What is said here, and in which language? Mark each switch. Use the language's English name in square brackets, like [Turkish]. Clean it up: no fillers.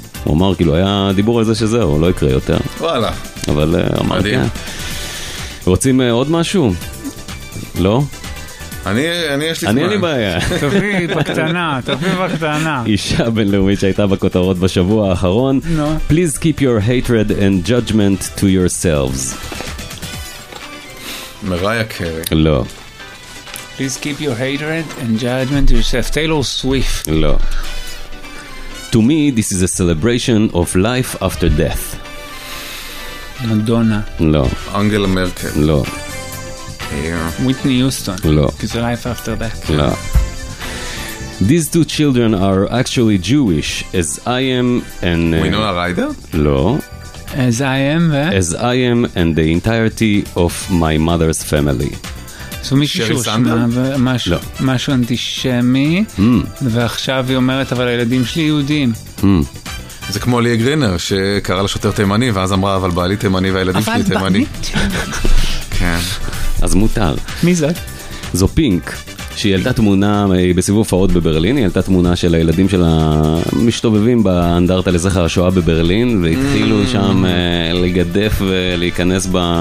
[Hebrew] הוא אמר, כאילו, היה דיבור על זה שזהו, לא יקרה יותר. וואלה. אבל אמרתי, רוצים עוד משהו? לא? אני יש לי זמן. אני אין לי בעיה. תביא בקטנה, תביא בקטנה. אישה בינלאומית שהייתה בכותרות בשבוע האחרון. [English] No. Please keep your hatred and judgment to yourselves. [Hebrew] מריה קרי. לא. [English] Please keep your hatred and judgment to yourself. [Hebrew] טיילור סוויפט. לא. [English] To me, this is a celebration of life after death. Madonna. No. Angela Merkel. No. Yeah. Whitney Houston. No. It's a life after death. No. These two children are actually Jewish, as I am and... Winona Ryder? No. As I am, eh? As I am and the entirety of my mother's family. So, [Hebrew] מישהו שמה, משהו אנטישמי, ועכשיו היא אומרת, אבל הילדים שלי יהודים. זה כמו ליה גרינר, שקרא לשוטר תימני, ואז אמרה, אבל בעלי תימני והילדים שלי תימני. כן. אז מותר. מי זה? זו פינק, שהיא ילדה תמונה, היא בסיבוב פעות בברלין, היא ילדה תמונה של הילדים של המשתובבים באנדרטה לזכר השואה בברלין, והתחילו שם לגדף ולהיכנס ב...